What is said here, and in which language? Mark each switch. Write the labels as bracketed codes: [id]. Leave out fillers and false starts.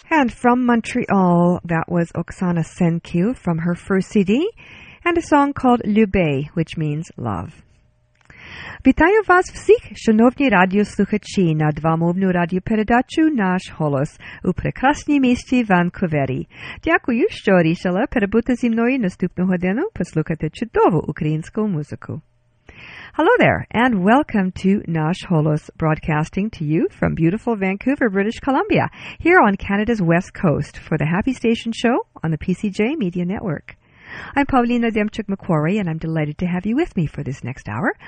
[en] From Montreal, that was Oksana Senkiu from her first CD, and a song called Lube, which means love. [uk] Вітаю вас всіх, шановні радіослухачі, на двомовну радіопередачу «Наш голос» у прекрасній місті Ванкувері. Дякую, що рішили перебути зі мною наступну годину послухати чудову українську музику. [en] Hello there, and welcome to Nash Holos, broadcasting to you from beautiful Vancouver, British Columbia, here on Canada's West Coast for the Happy Station Show on the PCJ Media Network. I'm Pavlina Demchuk-McQuarrie, and I'm delighted to have you with me for this next hour.